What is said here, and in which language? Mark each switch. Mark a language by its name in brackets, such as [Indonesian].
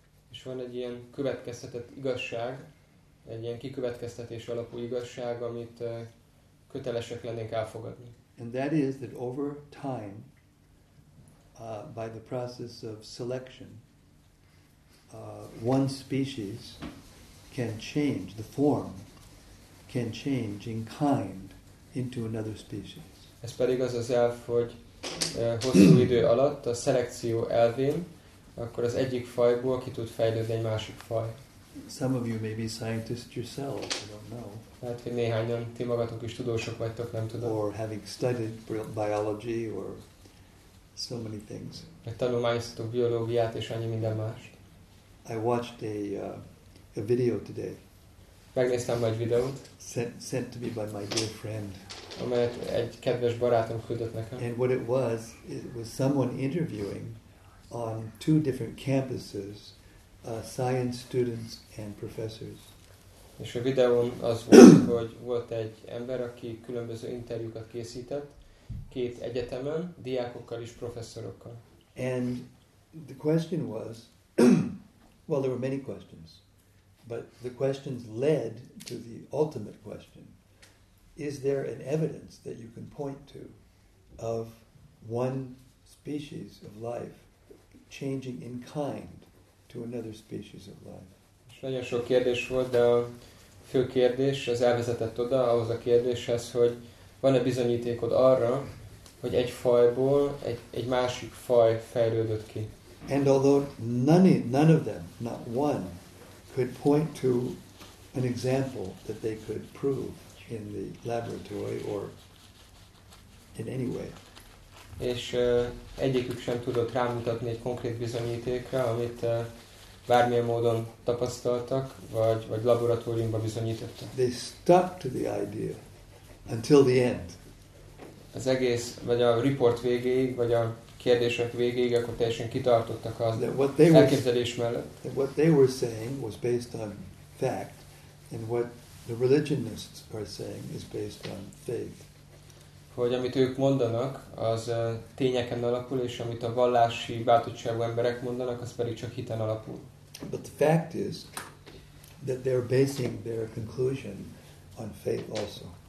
[Hungarian] És van egy ilyen következtetett igazság, egy ilyen kikövetkeztetés alapú igazság, amit kötelesek lennénk elfogadni. [English] And that is that over time, by the process of selection, one species can change, the form can change in kind into another species. [Hungarian] Ez pedig az az elv, hogy hosszú idő alatt a szelekció elvén akkor az egyik fajból ki tud fejlődni egy másik faj. [English] Some of you may be scientists yourself, I don't know. [Hungarian] Lehet, hogy néhányan ti magatok is tudósok vagytok, nem tudom. [English] Or having studied biology or so many things. [Hungarian] Tanulmányoztatok biológiát és annyi minden mást. [English] I watched a video today. [Hungarian] Megnéztem egy videót. [English] Sent to me by my dear friend. [Hungarian] Amelyet egy kedves barátom küldött nekem. [English] And what it was someone interviewing on two different campuses, science students and professors. [Hungarian] És a videón az volt, hogy volt egy ember, aki különböző interjúkat készített két egyetemen, diákokkal és professzorokkal. [English] And the question was, well, there were many questions, but the questions led to the ultimate question: is there an evidence that you can point to of one species of life changing in kind to another species of life? [Hungarian] És nagyon sok kérdés volt, de a fő kérdés az elvezetett oda, ahhoz a kérdéshez, hogy van-e bizonyítékod arra, hogy egy fajból egy másik faj fejlődött ki. [English] And although none of them, not one, could point to an example that they could prove in the laboratory or in any way. [Hungarian] És egyikük sem tudott rámutatni egy konkrét bizonyítékra, amit bármilyen módon tapasztaltak, vagy laboratóriumban bizonyítottak. [English] They stuck to the idea until the end. [Hungarian] Az egész, vagy a report végéig, vagy a kérdések végéig, akkor teljesen kitartottak az elképzelés mellett. [English] That what they were saying was based on fact, and what the religionists are saying is based on faith. [Hungarian] Hogy amit ők mondanak, az tényeken alapul, és amit a vallási bátorságú emberek mondanak, az pedig csak hiten alapul. [English] But the fact is that they're basing their conclusion on faith also.